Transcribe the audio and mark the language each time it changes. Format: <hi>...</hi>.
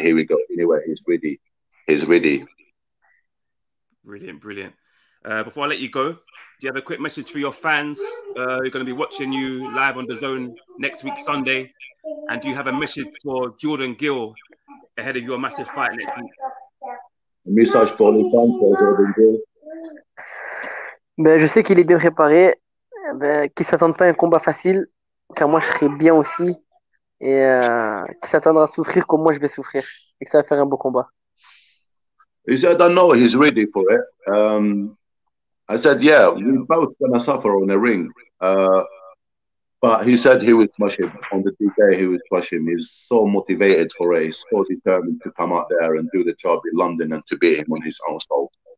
<en>Here we go, anywhere. He's ready. He's ready. Brilliant, brilliant. Before I let you go, do you have a quick message for your fans? Who are going to be watching you live on DAZN next week, Sunday. And do you have a message for Jordan Gill ahead of your massive fight next week?</en> <fr>Un message pour les fans, pour Jordan Gill. Ben, je sais qu'il est bien préparé. Ben, qu'il ne s'attende pas à un combat facile, car moi, je serai bien aussi. Et qu'il s'attendra à souffrir comme moi, je vais souffrir. Et que ça va faire un beau combat.</fr> <en>He said, I don't know, he's ready for it. I said, yeah, we're both going to suffer on the ring. But he said he would smash him. On the DK, he would smash him. He's so motivated for it. He's so determined to come out there and do the job in London and to beat him on his own soul.</en>